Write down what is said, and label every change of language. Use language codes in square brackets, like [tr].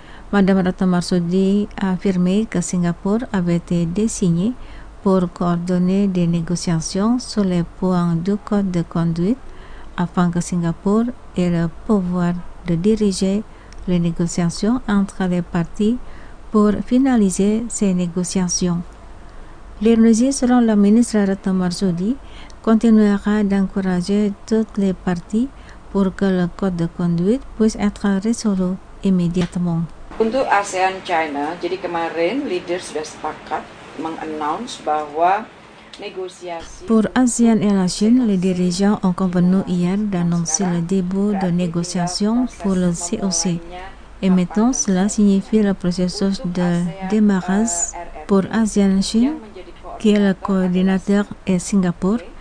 [fr] Madame Retno Marsudi a affirmé que Singapour avait été désigné pour coordonner des négociations sur les points du code de conduite afin que Singapour ait le pouvoir de diriger les négociations entre les parties pour finaliser ces négociations. L'Indonésie, selon la ministre Retno Marsudi, continuera d'encourager toutes les parties pour que le code de conduite puisse être résolu immédiatement. [id] Untuk ASEAN China, jadi kemarin leader sudah sepakat meng-announce bahwa [fr] Pour ASEAN et la Chine, les dirigeants ont convenu hier d'annoncer le début de négociations pour le COC. Et maintenant, cela signifie le processus de démarrage pour ASEAN-Chine, qui est le coordinateur, et Singapour.